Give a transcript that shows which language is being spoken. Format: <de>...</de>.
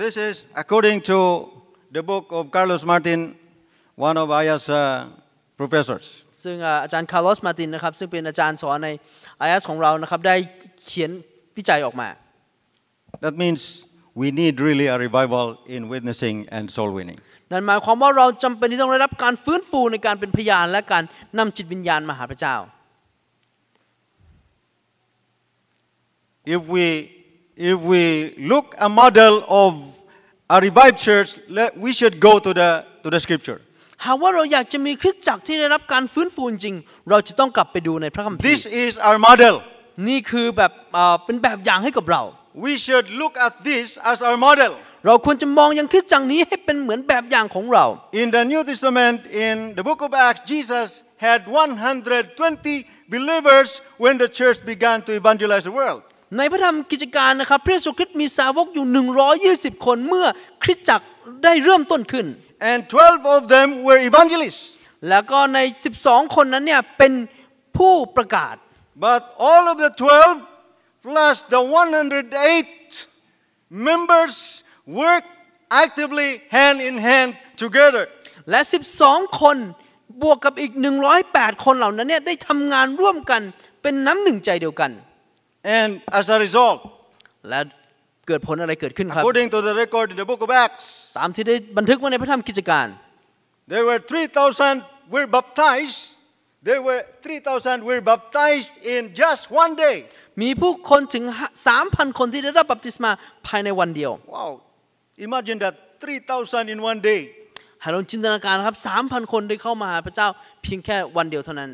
<en>This is according to the book of Carlos Martin one of Ayas professors</en> <th>ซึ่งอาจารย์ Carlos Martin นะครับซึ่งเป็นอาจารย์สอนใน Ayas ของเรานะครับได้เขียนวิจัยออกมา</th> <en>That means we need really a revival in witnessing and soul winning</en> <th>นั่นหมายความว่าเราจำเป็นที่ต้องได้รับการฟื้นฟูในการเป็นพยานและการนำจิตวิญญาณมาหาพระเจ้า</th> <en>If we look a model of a revived church we should go to the scripture</en> <th>หากว่าเราอยากจะมีคริสตจักรที่ได้รับการฟื้นฟูจริงเราจะต้องกลับไปดูในพระคัมภี ร์</th> <en>This is our model</en> <th>นี่คือแบบเป็นแบบอย่างให้กับเรา</th> <en>We should look at this as our model</en> <th>เราควรจะมองยังคริสตจักรนี้ให้เป็นเหมือนแบบอย่างของเรา</th> <en>In the New Testament in the book of Acts Jesus had 120 believers when the church began to evangelize the world</en> <th>ในพระธรรมกิจการนะครับพระเยซูคริสต์มีสาวกอยู่120คนเมื่อคริสตจักรได้เริ่มต้นขึ้น</th> <en>And 12 of them were evangelists</en> <th>แล้วก็ใน12คนนั้นเนี่ยเป็นผู้ประกาศ</th> <en>But all of the 12 plus the 108 membersWork actively hand in hand together.</en> <th>และ12คนบวกกับอีก108คนเหล่านั้นเนี่ยได้ทำงานร่วมกันเป็นน้ำหนึ่งใจเดียวกัน</th> <en>And as a result,</en> <th>และเกิดผลอะไรเกิดขึ้นครับ</th> <en>According to the record in the book of Acts,</en> <th>ตามที่ได้บันทึกไว้ในพระธรรมกิจการ</th> <en>There were 3,000 were baptized. There were 3,000 were baptized in just one day.</en> <th>มีผู้คนถึง 3,000 คนที่ได้รับบัพติศมาภายในวันเดียว</th> <en>Wow. Imagine that 3,000 in one day.</en> <th>ฮัลโหลจินตนาการครับ 3,000 คนได้เข้ามาหาพระเจ้าเพียงแค่วันเดียวเท่านั้น</th>